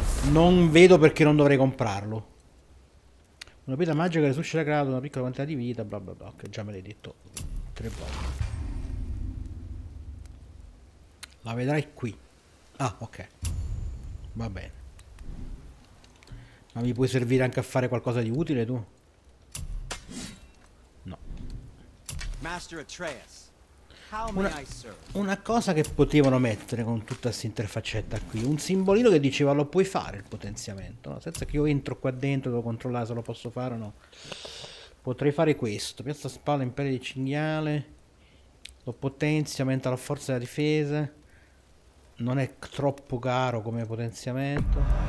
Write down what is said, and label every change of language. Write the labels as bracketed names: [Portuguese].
[Italian] Non vedo perché non dovrei comprarlo. Una pietra magica risuscita Kratos, una piccola quantità di vita. Bla bla bla. Che già me l'hai detto tre volte. La vedrai qui. Ah, ok. Va bene. Ma mi puoi servire anche a fare qualcosa di utile tu? No. [English] Master Atreus, how may I serve? [Italian] Una cosa che potevano mettere con tutta questa interfaccetta qui, un simbolino che diceva lo puoi fare il potenziamento, no? Senza che io entro qua dentro, devo controllare se lo posso fare o no. Potrei fare questo, piazza spalla, imperio di cinghiale, Lo potenzia, aumenta la forza della difesa. Non è troppo caro come potenziamento.